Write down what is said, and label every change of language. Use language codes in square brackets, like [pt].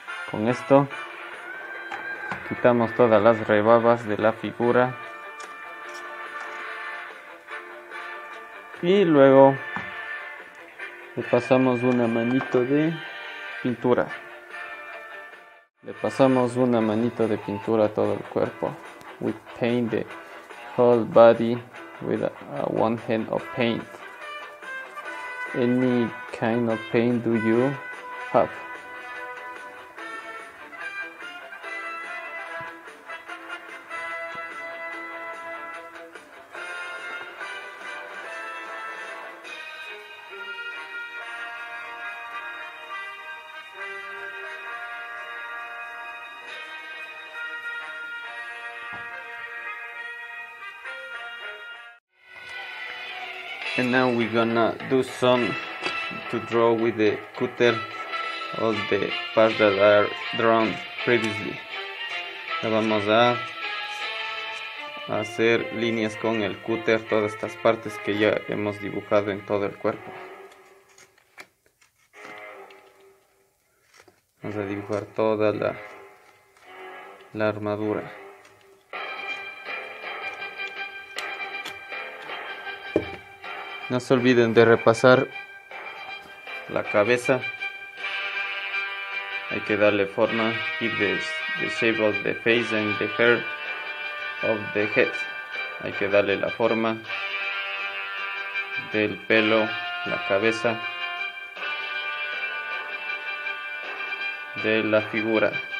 [es] Con esto quitamos todas las rebabas de la figura. Y luego le pasamos una manito de pintura. Le pasamos una manito de pintura a todo el cuerpo. [en] We paint the whole body with a one hand of paint. Any kind of paint do you have? And now we're gonna do some to draw with the cutter all the parts that are drawn previously. [es] Ya vamos a hacer líneas con el cutter, todas estas partes que ya hemos dibujado en todo el cuerpo. Vamos a dibujar toda la armadura. No se olviden de repasar la cabeza. Hay que darle forma. [en] Keep the shape of the face and the hair of the head. [es] Hay que darle la forma del pelo, la cabeza, de la figura.